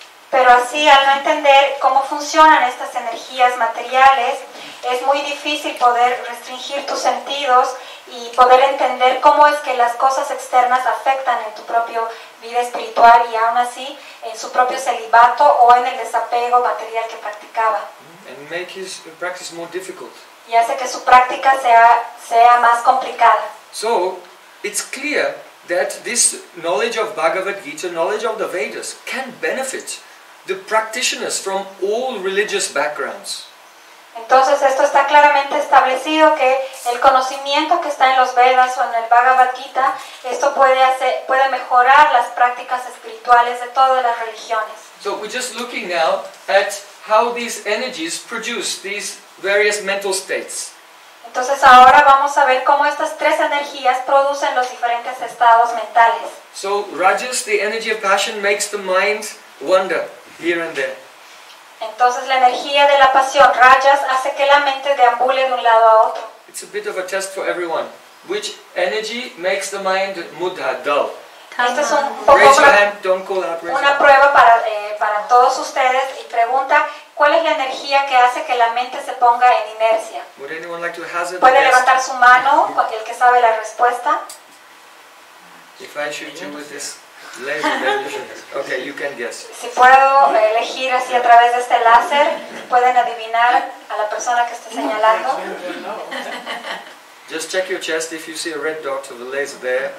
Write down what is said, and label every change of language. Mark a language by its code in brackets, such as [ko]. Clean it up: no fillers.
[es] Pero así, al no entender cómo funcionan estas energías materiales, es muy difícil poder restringir tus sentidos y poder entender cómo es que las cosas externas afectan en tu propia vida espiritual y aún así en su propio celibato o en el desapego material que practicaba. [en] And make his practice more difficult. [es] Y hace que su práctica sea más complicada. [en] So, it's clear that this knowledge of Bhagavad Gita, knowledge of the Vedas, can benefit the practitioners from all religious backgrounds. [es] Entonces esto está claramente establecido que el conocimiento que está en los Vedas o en el Bhagavad Gita, esto puede mejorar las prácticas espirituales de todas las religiones. [en] So we're just looking now at how these energies produce these various mental states. [es] Entonces ahora vamos a ver cómo estas tres energías producen los diferentes estados mentales. [en] So Rajas, the energy of passion, makes the mind wander here and there. [es] Entonces la energía de la pasión, rayas, hace que la mente deambule de un lado a otro. [en] It's a bit of a test for everyone. Which energy makes the mind mudha, dull? [es] Esto es un poco [en] raise your hand. [es] Prueba para todos ustedes y pregunta, ¿cuál es la energía que hace que la mente se ponga en inercia? [en] Would anyone like to hazard [es] ¿puede levantar su mano el que sabe la respuesta? [en] If I should do with this. Laser. Okay, you can guess. [es] Si puedo elegir así a través de este láser, pueden adivinar a la persona que está señalando. [en] Just check your chest if you see a red dot of the laser there.